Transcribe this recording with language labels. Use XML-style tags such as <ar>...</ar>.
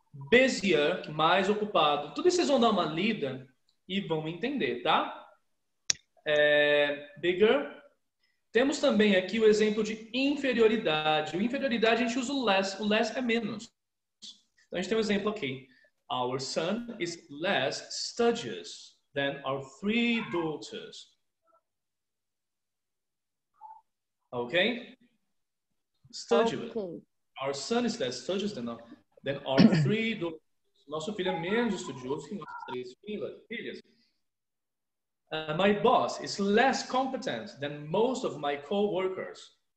<pt>Busier, mais ocupado. Tudo isso vocês vão dar uma lida. E vão entender, tá? Bigger. Temos também aqui o exemplo de inferioridade. O inferioridade a gente usa o less é menos. Então a gente tem um exemplo aqui.</pt> <en>Our son is less studious than our three daughters. Ok? Studious. Okay. Our son is less studious than our three daughters.</en> <pt>Nosso filho é menos estudioso que nossas três filhas.</pt> <en>My boss is less competent than most of my co-workers.</en>